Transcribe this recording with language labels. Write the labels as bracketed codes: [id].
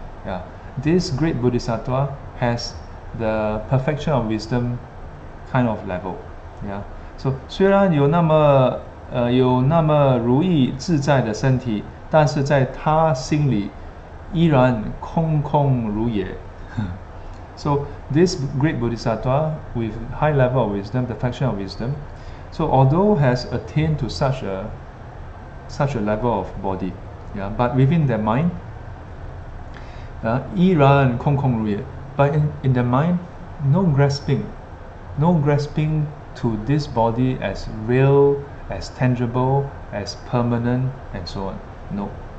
[en] Yeah, this great Bodhisattva has the perfection of wisdom kind of level. Yeah. [zh] So 虽然有那么如意自在的身体, 但是在他心里依然空空如也. [en] So this great Bodhisattva with high level of wisdom, the perfection of wisdom, so although has attained to such a level of body, yeah, but within their mind, [zh] 依然空空如也, [en] but in their mind, no grasping to this body as real, as tangible, as permanent, and so on. No.